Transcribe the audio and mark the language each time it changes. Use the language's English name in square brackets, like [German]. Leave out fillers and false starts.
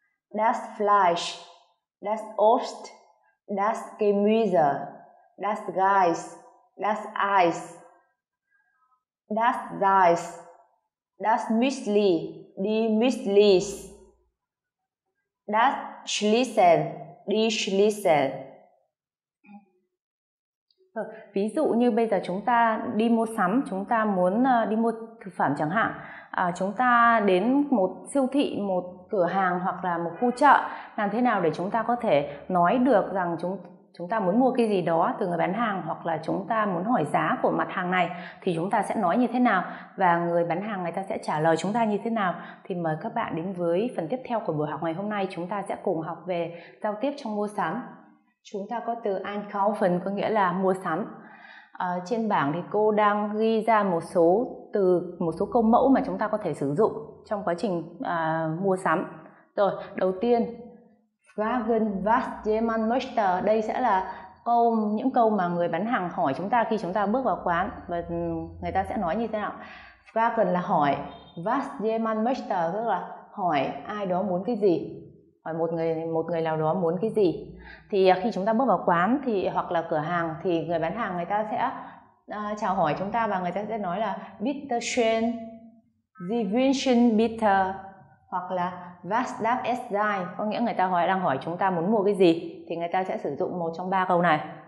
[German] Das Fleisch, das Obst, das Gemüse, das Reis, das Eis, das Salz, das Müsli, die Müslis, das Schlissel, die Schlissel. [Vietnamese] Ví dụ như bây giờ chúng ta đi mua sắm, chúng ta muốn đi mua thực phẩm chẳng hạn, chúng ta đến một siêu thị, một cửa hàng hoặc là một khu chợ, làm thế nào để chúng ta có thể nói được rằng chúng ta muốn mua cái gì đó từ người bán hàng, hoặc là chúng ta muốn hỏi giá của mặt hàng này thì chúng ta sẽ nói như thế nào và người bán hàng người ta sẽ trả lời chúng ta như thế nào? Thì mời các bạn đến với phần tiếp theo của buổi học ngày hôm nay, chúng ta sẽ cùng học về giao tiếp trong mua sắm. Chúng ta có từ Einkaufen có nghĩa là mua sắm. Trên bảng thì cô đang ghi ra một số từ, một số câu mẫu mà chúng ta có thể sử dụng trong quá trình mua sắm. [German] Rồi, đầu tiên, Fragen, was jemand möchte? [Vietnamese] Đây sẽ là câu những câu mà người bán hàng hỏi chúng ta khi chúng ta bước vào quán và người ta sẽ nói như thế nào? Fragen là hỏi, [German] was jemand möchte [Vietnamese] tức là hỏi ai đó muốn cái gì? Hỏi một người nào đó muốn cái gì? Thì khi chúng ta bước vào quán thì hoặc là cửa hàng thì người bán hàng người ta sẽ chào hỏi chúng ta và người ta sẽ nói là [German] bitte schön, Sie wünschen bitte [Vietnamese] hoặc là [German] was darf es sein, [Vietnamese] có nghĩa người ta đang hỏi chúng ta muốn mua cái gì, thì người ta sẽ sử dụng một trong ba câu này.